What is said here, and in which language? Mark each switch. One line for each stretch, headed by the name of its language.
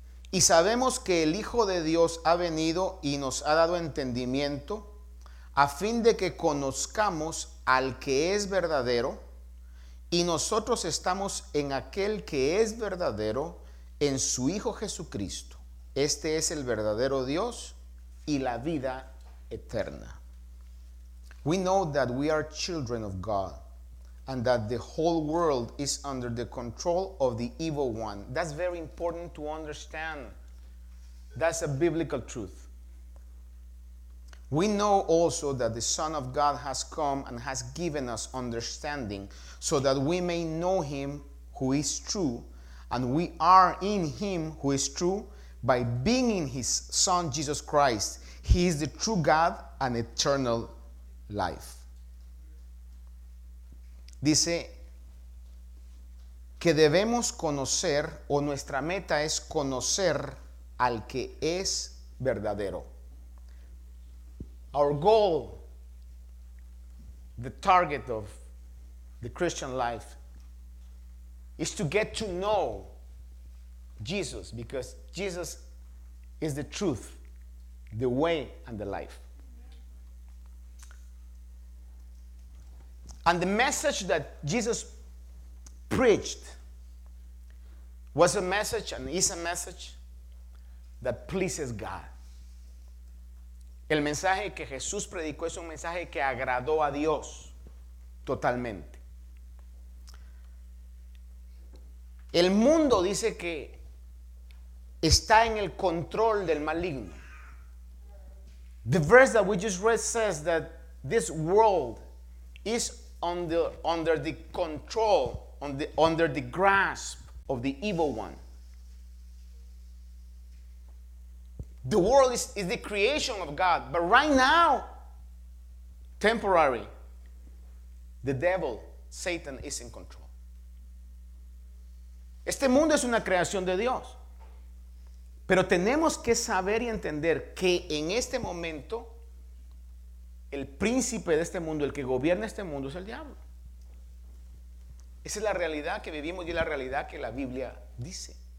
Spanish: Y sabemos que el Hijo de Dios ha venido y nos ha dado entendimiento a fin de que conozcamos al que es verdadero, y nosotros estamos en aquel que es verdadero, en su Hijo Jesucristo. Este es el verdadero Dios y la vida eterna.
English: We know that we are children of God and that the whole world is under the control of the evil one. That's very important to understand. That's a biblical truth. We know also that the Son of God has come and has given us understanding so that we may know him who is true, and we are in him who is true by being in his Son, Jesus Christ. He is the true God and eternal life.
Spanish: Dice que debemos conocer, o nuestra meta es conocer al que es verdadero.
English: Our goal, the target of the Christian life, is to get to know Jesus, because Jesus is the truth, the way, and the life. And the message that Jesus preached was a message and is a message that pleases God.
Spanish: El mensaje que Jesús predicó es un mensaje que agradó a Dios totalmente. El mundo dice que está en el control del maligno.
English: The verse that we just read says that this world is under the control, under the grasp of the evil one. The world is the creation of God, but right now, temporary, the devil, Satan, is in control.
Spanish: Este mundo es una creación de Dios. Pero tenemos que saber y entender que en este momento, el príncipe de este mundo, el que gobierna este mundo, es el diablo. Esa es la realidad que vivimos y es la realidad que la Biblia dice.